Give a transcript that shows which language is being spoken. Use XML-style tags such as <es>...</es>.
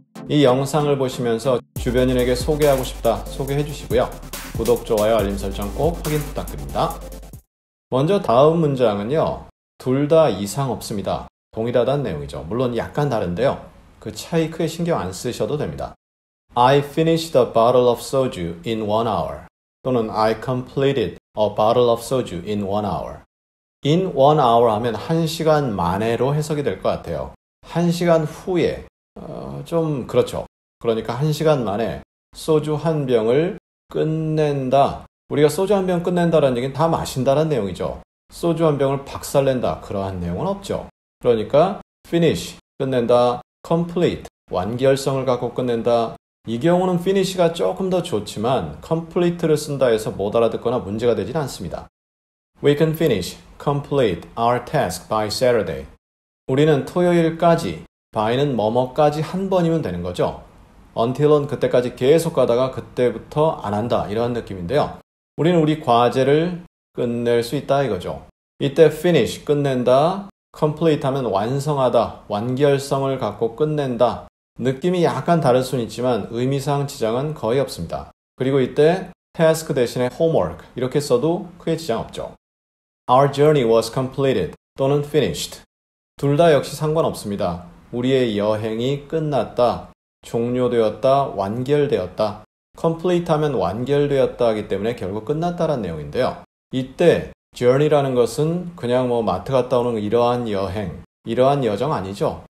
<ko>이 영상을 보시면서 주변인에게 소개하고 싶다 소개해 주시고요. 구독, 좋아요, 알림 설정 꼭 확인 부탁드립니다. 먼저 다음 문장은요. 둘 다 이상 없습니다. 동일하다는 내용이죠. 물론 약간 다른데요. 그 차이 크게 신경 안 쓰셔도 됩니다.</ko> <en>I finished a bottle of soju in 1 hour.</en> <ko>또는</ko> <en>I completed a bottle of soju in 1 hour.</en> <ko>In 1 hour 하면 1시간 만에로 해석이 될 것 같아요. 1시간 후에, 좀 그렇죠. 그러니까 1시간 만에 소주 한 병을 끝낸다. 우리가 소주 한 병 끝낸다라는 얘기는 다 마신다라는 내용이죠. 소주 한 병을 박살낸다. 그러한 내용은 없죠. 그러니까 finish, 끝낸다. complete, 완결성을 갖고 끝낸다. 이 경우는 finish가 조금 더 좋지만 complete를 쓴다 해서 못 알아듣거나 문제가 되진 않습니다.</ko> <en>We can finish, complete our task by Saturday.</en> <ko>우리는 토요일까지, by는 뭐뭐까지 한 번이면 되는 거죠. until은 그때까지 계속 가다가 그때부터 안 한다 이런 느낌인데요. 우리는 우리 과제를 끝낼 수 있다 이거죠. 이때 finish, 끝낸다, complete 하면 완성하다, 완결성을 갖고 끝낸다. 느낌이 약간 다를 수는 있지만 의미상 지장은 거의 없습니다. 그리고 이때 task 대신에 homework 이렇게 써도 크게 지장 없죠.</ko> <en>Our journey was completed</en> <ko>또는</ko> <en>finished.</en> <ko>둘 다 역시 상관없습니다. 우리의 여행이 끝났다, 종료되었다, 완결되었다. complete 하면 완결되었다 하기 때문에 결국 끝났다라는 내용인데요. 이때 journey라는 것은 그냥 뭐 마트 갔다 오는 이러한 여행, 이러한 여정 아니죠.</ko>